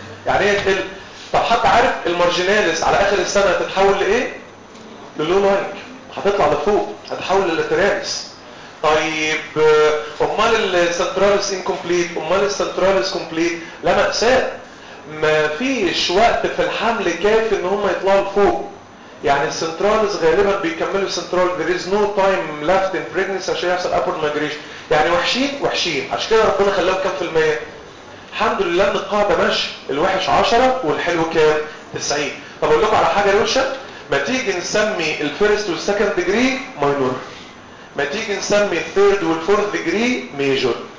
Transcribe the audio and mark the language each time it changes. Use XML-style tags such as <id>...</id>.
<ar>يعني ايه تقل؟ طب حتى عارف المارجيناليس على اخر السنه هتتحول لايه؟ للو لايك، هتطلع لفوق، هتتحول للاتيراليس. طيب امال السنتراليس انكمبليت؟ امال السنتراليس كومبليت؟ لا مأساة، ما فيش وقت في الحمل كافي ان هم يطلعوا لفوق. يعني السنترالز غالبا بيكملوا السنترال</ar> <en>there is no time left in pregnancy</en> <ar>عشان يحصل upward migration. يعني وحشين وحشين عشان كده ربنا خلاهم كام في المية. الحمد لله ان القاعدة ماشي، الوحش 10 والحلو كام 90. طب اقول لكم على حاجة روشة، ما تيجي نسمي الفيرست والسكند ديجري ماينور، ما تيجي نسمي الثيرد والفورث ديجري ميجور.</ar>